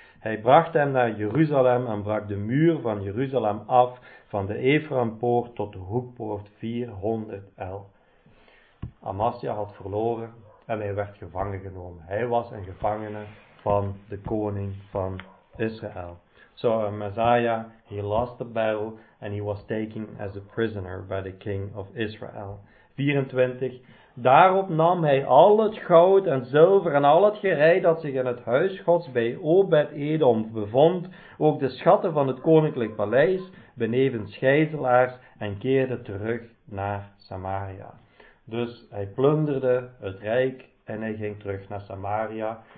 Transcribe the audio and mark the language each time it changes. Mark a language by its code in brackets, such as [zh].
[nl] Hij bracht hem naar Jeruzalem en brak de muur van Jeruzalem af, van de Efraimpoort tot de hoekpoort 400 el. Amasja had verloren en hij werd gevangen genomen. Hij was een gevangene van de koning van Israël. [en] So Amaziah, he lost the battle and he was taken as a prisoner by the king of Israel. [nl] 24. Daarop nam hij al het goud en zilver en al het gerei dat zich in het huis gods bij Obed-Edom bevond, ook de schatten van het koninklijk paleis, benevens gijzelaars, en keerde terug naar Samaria. Dus hij plunderde het rijk en hij ging terug naar Samaria.